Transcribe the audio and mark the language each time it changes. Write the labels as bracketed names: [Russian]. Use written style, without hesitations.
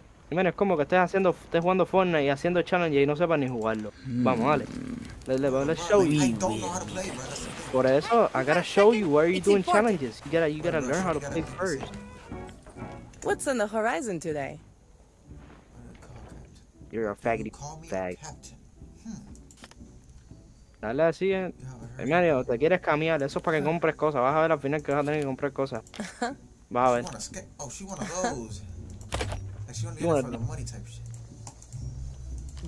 [Spanish] Manio, como que estés jugando Fortnite y haciendo challenge y no sepas ni jugarlo. Vamos, dale. [English] Let's show you. I don't know how to play, bro. That's the thing. [Spanish] Por eso, [English] I gotta show you why you're doing challenges. You gotta learn how to play first. What's on the horizon today? You're a faggoty fag. [Spanish] Dale así, Emilio, te quieres cambiar, eso es para que compres cosas, vas a ver al final que vas a tener que comprar cosas. Vas a ver. [English] Oh, she wanna those. She wanna get it for the money type shit.